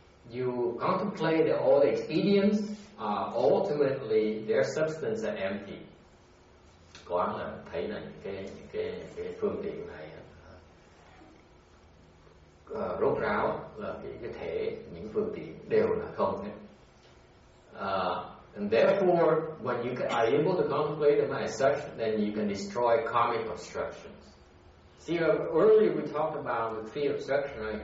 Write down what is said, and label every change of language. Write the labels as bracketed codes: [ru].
[en] You contemplate that all the expedients, ultimately their substance are empty. [vi] Quan là thấy là những cái phương tiện này rốt ráo là cái thể những phương tiện đều là không hết. [en] And therefore, when you are able to contemplate them as such, then you can destroy karmic obstructions. See, earlier we talked about the three obstructions, right?